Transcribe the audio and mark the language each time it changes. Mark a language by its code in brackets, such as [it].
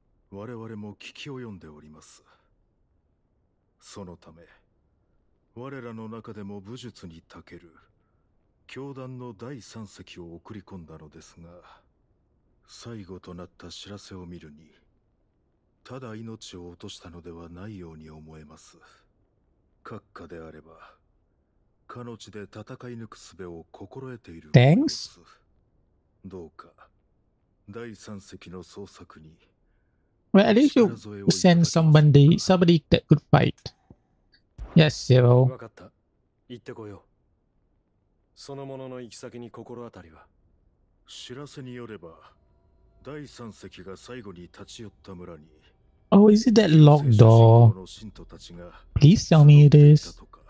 [ja] 我々も聞き及んでおります。そのため我らの中でも武術に長ける教団の第三席を送り込んだのですが、最後となった知らせを見るにただ命を落としたのではないように思えます。閣下であれば彼の地で戦い抜く術を心得ている。 [en] Thanks。 [ja] どうか第三席の捜索に。 [en] Well, at least you send somebody that could fight. Yes, Zero. [ja] わかった。行ってこよう。その者の行き先に心当たりは。知らせによれば、第三席が最後に立ち寄った村に。 [en] Oh, is it that locked door? Please tell me it is.